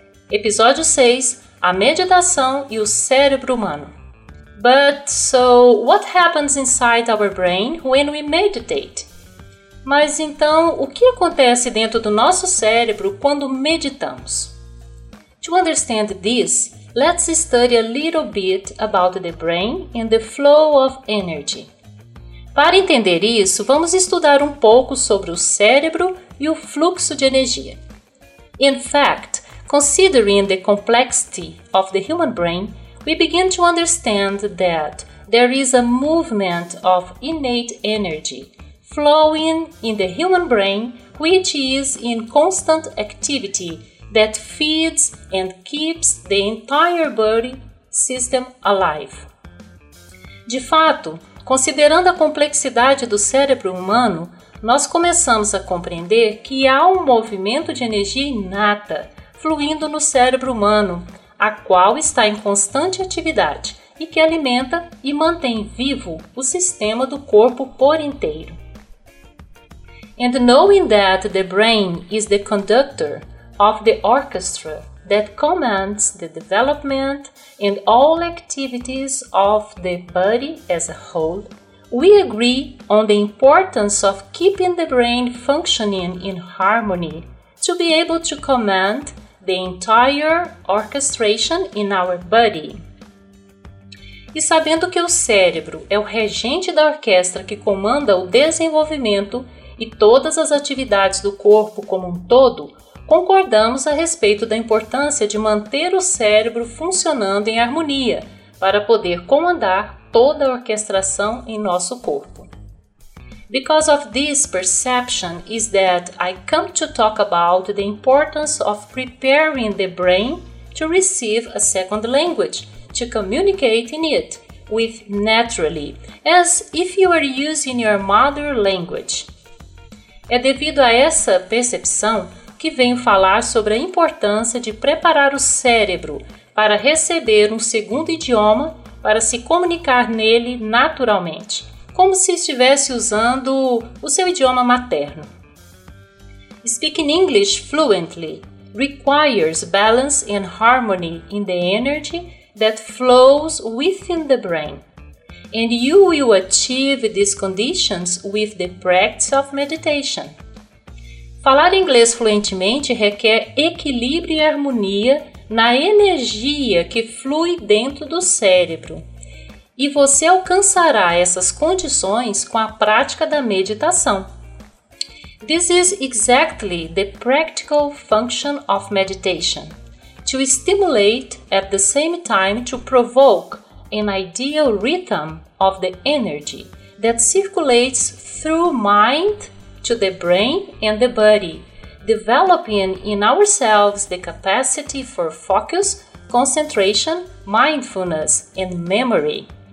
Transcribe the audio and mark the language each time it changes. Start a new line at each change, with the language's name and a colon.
Portuguese: Episódio 6. A Meditação e o Cérebro Humano.
English: But, so, what happens inside our brain when we meditate?
Portuguese: Mas então, o que acontece dentro do nosso cérebro quando meditamos?
English: To understand this, let's study a little bit about the brain and the flow of energy.
Portuguese: Para entender isso, vamos estudar um pouco sobre o cérebro e o fluxo de energia.
English: In fact, considering the complexity of the human brain, we begin to understand that there is a movement of innate energy flowing in the human brain, which is in constant activity that feeds and keeps the entire body system alive.
Portuguese: De fato, considerando a complexidade do cérebro humano, nós começamos a compreender que há um movimento de energia inata fluindo no cérebro humano, a qual está em constante atividade e que alimenta e mantém vivo o sistema do corpo por inteiro.
English: And knowing that the brain is the conductor of the orchestra that commands the development and all activities of the body as a whole, we agree on the importance of keeping the brain functioning in harmony to be able to command the entire orchestration in our body.
Portuguese: E sabendo que o cérebro é o regente da orquestra que comanda o desenvolvimento e todas as atividades do corpo como um todo, concordamos a respeito da importância de manter o cérebro funcionando em harmonia para poder comandar toda a orquestração em nosso corpo.
English: Because of this perception is that I come to talk about the importance of preparing the brain to receive a second language, to communicate in it with naturally, as if you are using your mother language.
Portuguese: É devido a essa percepção que venho falar sobre a importância de preparar o cérebro para receber um segundo idioma para se comunicar nele naturalmente, como se estivesse usando o seu idioma materno.
English: Speaking English fluently requires balance and harmony in the energy that flows within the brain. And you will achieve these conditions with the practice of meditation.
Portuguese: Falar inglês fluentemente requer equilíbrio e harmonia na energia que flui dentro do cérebro. e você alcançará essas condições com a prática da meditação.
English: This is exactly the practical function of meditation, to stimulate at the same time to provoke an ideal rhythm of the energy that circulates through mind to the brain and the body, developing in ourselves the capacity for focus, concentration, mindfulness and memory.